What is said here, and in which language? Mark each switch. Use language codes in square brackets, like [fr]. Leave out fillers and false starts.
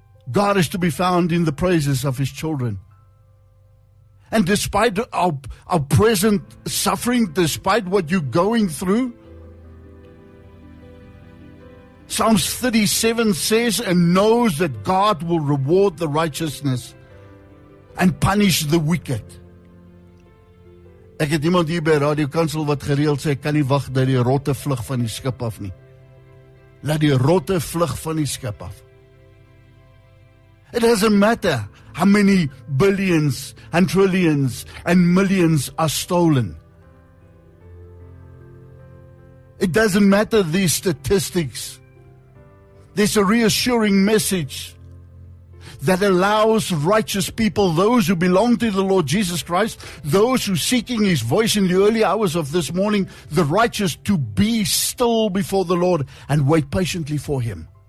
[en] God is to be found in the praises of His children. And despite our present suffering, despite what you're going through, Psalms 37 says and knows that God will reward the righteousness and punish the wicked. [af] Ek het iemand hier by Radio Kansel wat gereeld sê, kan nie wag dat die rotte vlug van die skip af nie. Laat die rotte vlug van die skip af. [en] It doesn't matter how many billions and trillions and millions are stolen. It doesn't matter these statistics. There's a reassuring message that allows righteous people, those who belong to the Lord Jesus Christ, those who are seeking His voice in the early hours of this morning, the righteous, to be still before the Lord and wait patiently for Him.